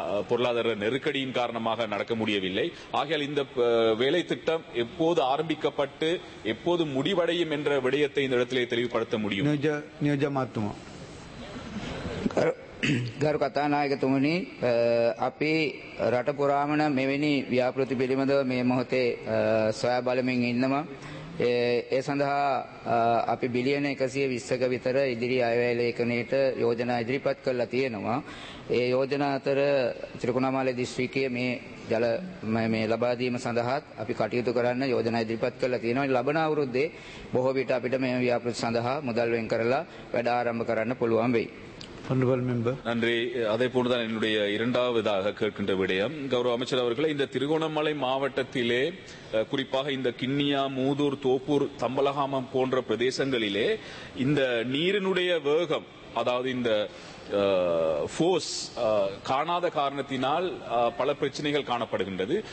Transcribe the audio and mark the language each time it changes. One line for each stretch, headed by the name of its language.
Tamil: பொருளாதார நெருக்கடியின் காரணமாக நடக்க முடியவில்லை. ஆகையால் இந்த வேலை திட்டம் எப்போது ஆரம்பிக்கப்பட்டு எப்போது முடிவடையும் என்ற விடயத்தை இந்த இடத்திலே தெளிவுபடுத்த முடியும்.
Sinhala: ගරු කතානායකතුමනි, අපි රට පුරාමන මෙවැනි ව්‍යාපෘති පිළිබඳව මේ මොහොතේ සොයා බලමින් ඉන්නවා. ඒ සඳහා අපි බිලියන 120ක විතර ඉදිරි අයවැය ලේඛනයට යෝජනා ඉදිරිපත් කරලා තියෙනවා. ඒ යෝජනා අතර ත්‍රිකුණාමලයේ දිස්ත්‍රික්කයේ මේ ජල මේ ලබා දීම සඳහාත් අපි කටයුතු කරන්න යෝජනා ඉදිරිපත් කරලා තියෙනවා. ලබන අවුරුද්දේ බොහෝ විට අපිට මේ ව්‍යාපෘති සඳහා මුදල් වෙන් කරලා වැඩ ආරම්භ කරන්න පුළුවන් වෙයි.
Tamil: நன்றி. அதே போன்றுதான் என்னுடைய இரண்டாவதாக கேட்கின்ற விடயம், கௌரவ அமைச்சர் அவர்களே, இந்த திருகோணமலை மாவட்டத்திலே குறிப்பாக இந்த கிண்ணியா, மூதூர், தோப்பூர், தம்பலகாமம் போன்ற பிரதேசங்களிலே இந்த நீரினுடைய வேகம், அதாவது இந்த ஃபோர்ஸ் காணாத காரணத்தினால் பல பிரச்சனைகள் காணப்படுகின்றது.